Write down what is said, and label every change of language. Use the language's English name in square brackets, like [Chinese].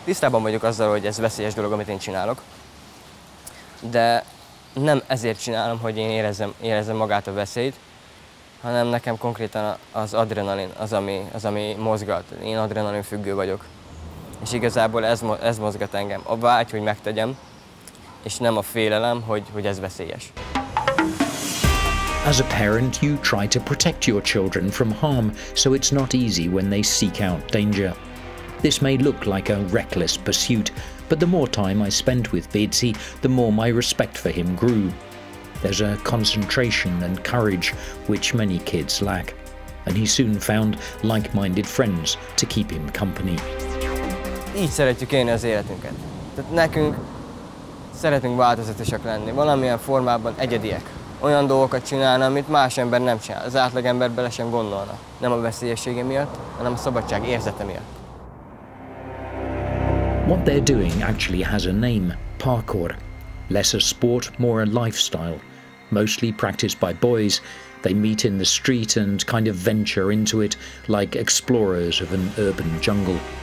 [Hungarian] Tisztában vagyok azzal, hogy ez veszélyes dolog, amit én csinálok. De nem ezért csinálom, hogy én érezzem magát a veszélyt, hanem nekem konkrétan az adrenalin, az ami mozgat. Én adrenalin függő vagyok. És igazából ez mozgat engem. A vágy, hogy megtegyem, és nem a félelem, hogy ez veszélyes. [English] As a parent, you try to protect your children from harm, so it's not easy when they seek out danger. This may look like a reckless pursuit, but the more time I spent with Bécsi, the more my respect for him grew. There's a concentration and courage which many kids lack, and he soon found like-minded friends to keep him company. [Hungarian] Így szeretjük élni az életünket. Tehát nekünk szeretünk változatosak lenni, valamilyen formában egyediek. Olyan dolgokat csinálni, amit más ember nem csinál. Az átlag ember bele sem gondolna. Nem a veszélyessége miatt, hanem a szabadság érzete miatt. [English] What they're doing actually has a name, parkour. Less a sport, more a lifestyle. Mostly practiced by boys, they meet in the street and kind of venture into it like explorers of an urban jungle.